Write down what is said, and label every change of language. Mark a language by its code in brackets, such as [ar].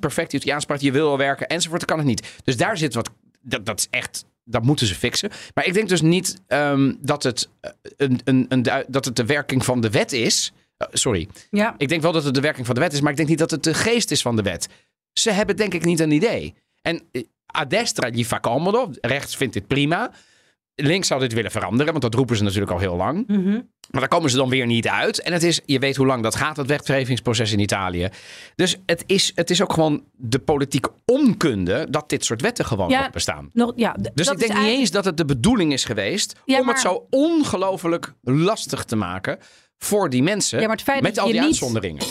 [nl] perfect Italiaans praat, je wil al werken enzovoort, dan kan het niet. Dus daar zit wat... Dat is echt... Dat moeten ze fixen. Maar ik denk dus niet dat het dat het de werking van de wet is. Ik denk wel dat het de werking van de wet is. Maar ik denk niet dat het de geest is van de wet. Ze hebben denk ik niet een idee. [it] En a destra gli fa comodo. [nl] Rechts vindt dit prima. Links zou dit willen veranderen. Want dat roepen ze natuurlijk al heel lang. Maar daar komen ze dan weer niet uit. En het is, je weet hoe lang dat gaat, het wetgevingsproces in Italië. Dus het is ook gewoon de politieke onkunde dat dit soort wetten gewoon nog bestaan. Dus ik denk niet eens dat het de bedoeling is geweest... Het zo ongelooflijk lastig te maken voor die mensen met al die uitzonderingen.